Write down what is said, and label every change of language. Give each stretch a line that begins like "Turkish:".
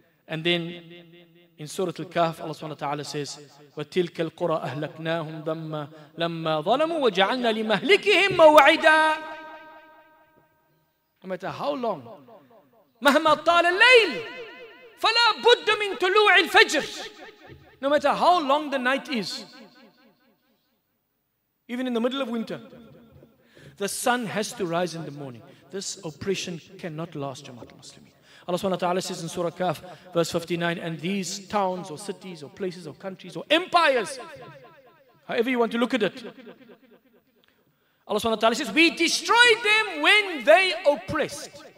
English: And then in Surah Al-Kahf, Allah subhanahu wa ta'ala says,
Arabic: وَتِلْكَ الْقُرَىٰ أَهْلَكْنَاهُمْ ذَمَّا لَمَّا ظَلَمُوا وَجَعَلْنَا لِمَهْلِكِهِمْ مَوْعِدًا.
English: No matter how long,
Arabic: مَهْمَا طَالَ اللَّيْلِ فَلَا بُدَّ مِنْ تُلُوعِ الْفَجْرِ.
English: No matter how long the night is, even in the middle of winter, the sun has to rise in the morning. This oppression cannot last, Jamaat al-Muslimin. Allah subhanahu wa ta'ala says in Surah Kahf, verse 59, and these towns or cities or places or countries or empires, however you want to look at it, Allah subhanahu wa ta'ala says, we destroyed them when they oppressed.